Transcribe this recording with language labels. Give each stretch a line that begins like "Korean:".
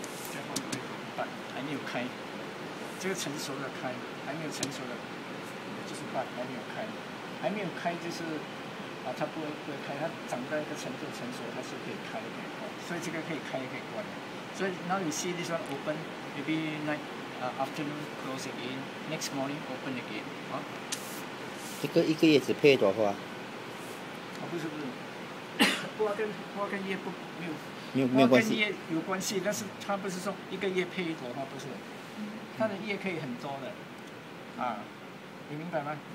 Chinese: 再画一个，瓣还没有开，这个成熟的开，还没有成熟的，就是瓣还没有开，还没有开就是啊，它不会开，它长到一个程度成熟，它是可以开的，所以这个可以开也可以关的。
English: 所以 now you see this one open, maybe night, afternoon close again, next morning open again, 啊。
Chinese: 这个一个月只配多少花？不是，花跟叶不没有关系，花跟叶有关系，但是它不是说一个叶配一朵花，不是，它的叶可以很多的，你明白吗？